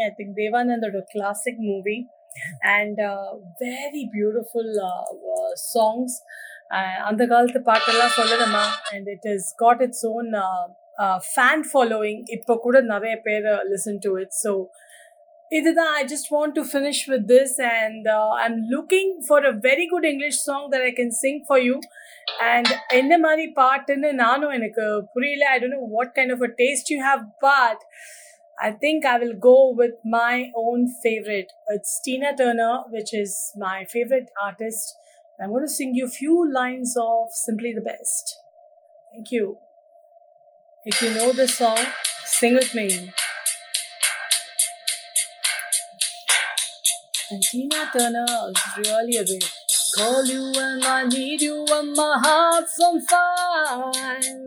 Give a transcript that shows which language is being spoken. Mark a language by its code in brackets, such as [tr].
[en] I think Devananda did a classic movie and very beautiful songs. [ta] அந்த காலத்து பாட்டெல்லாம் சொல்லணுமா, [en] And it is got its own fan following, இப்போ கூட நிறைய பேர் லிசன் டு இட். ஸோ இதுதான், I just want to finish with this and I am looking for a very good English song that I can sing for you. அண்ட் [ta] என்ன மாதிரி பாட்டுன்னு நானும் எனக்கு புரியல, [en] I don't know what kind of a taste you have, but I think I will go with my own favourite. It's Tina Turner, which is my favourite artist. I'm going to sing you a few lines of Simply the Best. Thank you. If you know this song, sing with me. And Tina Turner is really a bit. Call you when I need you when my heart's on fire.